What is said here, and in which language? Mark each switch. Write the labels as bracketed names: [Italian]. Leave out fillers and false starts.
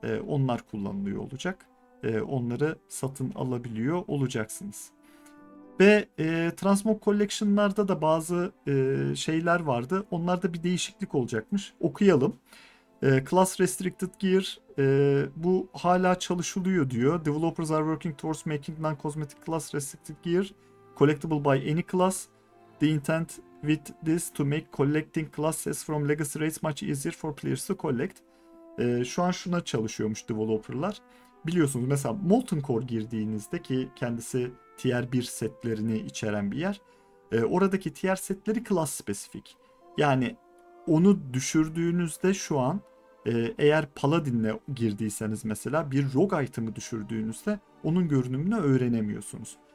[Turkish] Onlar kullanılıyor olacak. Onları satın alabiliyor olacaksınız. Ve Transmog Collection'larda da bazı şeyler vardı. Onlarda bir değişiklik olacakmış. Okuyalım. [English] Class Restricted Gear. [Turkish] Bu hala çalışılıyor diyor. [English] Developers are working towards making non-cosmetic class restricted gear collectible by any class. The intent with this to make collecting classes from Legacy Raids much easier for players to collect. [Turkish] Şu an şuna çalışıyormuş developerlar. Biliyorsunuz mesela Molten Core girdiğinizde ki kendisi tier 1 setlerini içeren bir yer. Oradaki tier setleri class spesifik. Yani onu düşürdüğünüzde şu an eğer Paladin'le girdiyseniz mesela bir Rogue item'ı düşürdüğünüzde onun görünümünü öğrenemiyorsunuz.